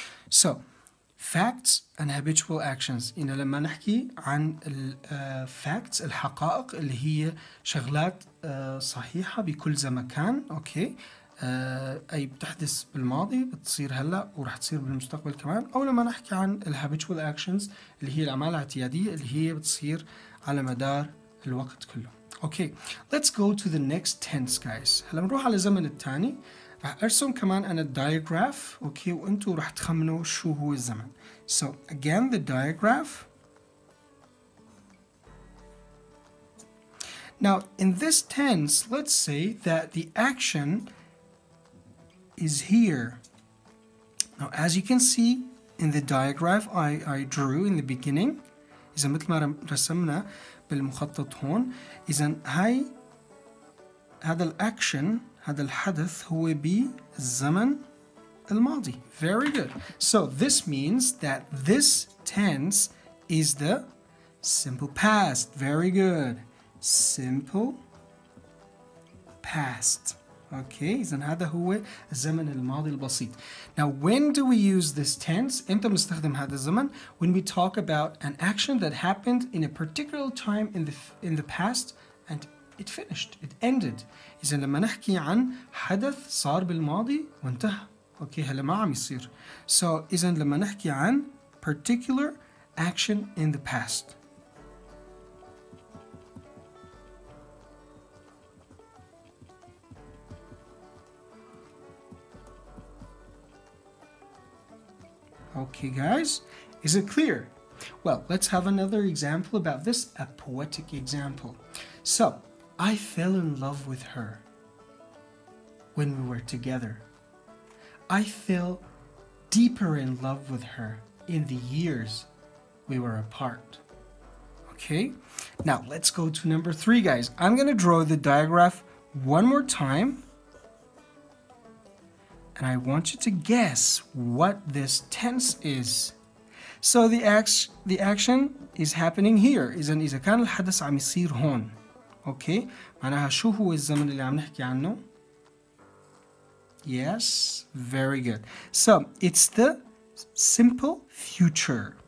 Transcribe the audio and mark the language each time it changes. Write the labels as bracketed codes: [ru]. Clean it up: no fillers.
[en] So facts and habitual actions [ar] إن لما نحكي عن facts الحقائق اللي هي شغلات صحيحة بكل زمكان okay. أي بتحدث بالماضي بتصير هلأ ورح تصير بالمستقبل كمان أو لما نحكي عن [en] habitual actions [ar] اللي هي الأعمال الاعتيادية اللي هي بتصير على مدار الوقت كله okay. [en] Let's go to the next tense guys [ar] هلأ نروح على الزمن الثاني رح أرسم كمان أنا الدايغراف أوكي وأنتوا رح تخمنوا شو هو الزمن [en] So again the diagram Now in this tense let's say that the action is here Now as you can see in the diagram I drew in the beginning. [ar] إذا مثل ما رسمنا بالمخطط هون. إذا هاي هذا الأكشن هذا الحدث هو بالزمن الماضي. [en] Very good. So this means that this tense is the simple past. Very good. Simple past. [ar] Okay, إذا هذا هو الزمن الماضي البسيط. [en] Now, when do we use this tense? [ar] إمتى بنستخدم هذا الزمن? [en] When we talk about an action that happened in a particular time in the past and it finished, it ended. [ar] إذا لما نحكي عن حدث صار بالماضي وانتهى. Okay, هلا ما عم يصير. [en] So, [ar] إذا لما نحكي عن [en] particular action in the past. Okay, guys, is it clear? Well, let's have another example about this, a poetic example. So, I fell in love with her when we were together. I fell deeper in love with her in the years we were apart. Okay, now let's go to number three, guys. I'm gonna draw the diagram one more time. And I want you to guess what this tense is. So the action is happening here. [ar] إذا كان الحدث عم يصير هون. [en] Okay. [ar] معناها شو هو الزمن اللي عم نحكي عنه? [en] Yes. Very good. So it's the simple future.